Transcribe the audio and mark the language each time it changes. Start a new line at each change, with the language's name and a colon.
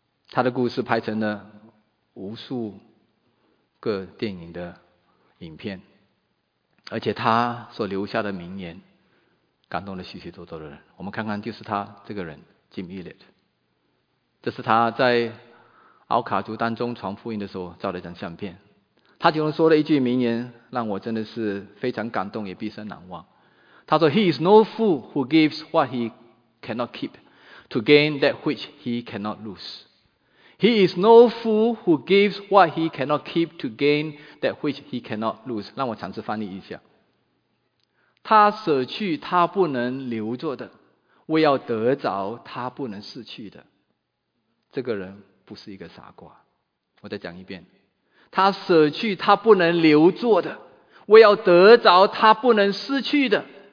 Chinese: 他的故事拍成了无数个电影的影片，而且他所留下的名言感动了许许多多的人。我们看看，就是他这个人 Jim Elliot， 这是他在奥卡族当中传福音的时候照了一张相片。他其中说了一句名言，让我真的是非常感动，也毕生难忘。他说
English: He is no fool who gives what he cannot keep to gain that which he cannot lose. He is no fool who gives what he cannot keep to gain that which he cannot lose.
Chinese: 让我尝试翻译一下。他舍去他不能留着的，为要得着他不能失去的。这个人不是一个傻瓜。我再讲一遍，他舍去他不能留住的，为要得着他不能失去的。